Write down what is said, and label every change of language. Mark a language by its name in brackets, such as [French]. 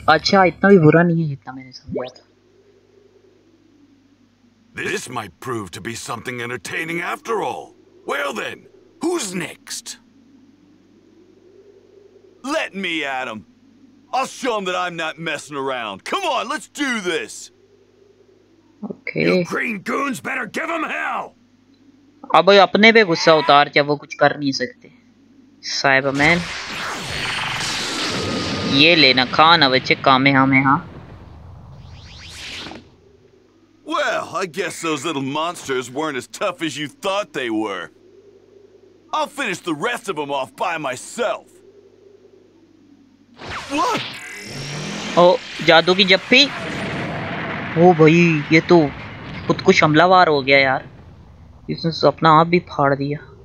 [Hindi] अच्छा इतना भी बुरा नहीं है जितना मैंने समझा था. [English] This might prove to be something entertaining after all. Well then, who's next? Let me at him. I'll show him that I'm not messing around. Come on, let's do this. Okay. You green goons better give him hell. [Hindi] अब ये अपने पे गुस्सा उतार जब वो कुछ कर नहीं सकते. Cyberman. ये लेना खाना बच्चे काम है हमें. हाँ. [English] Well, I guess those little monsters weren't as tough as you thought they were. I'll finish the rest of them off by myself. What? [Hindi] Oh, जादू की जप्पी? Oh, भाई, ये तो खुद को हमलावार हो गया यार. इसने अपना आप भी फाड़ दिया.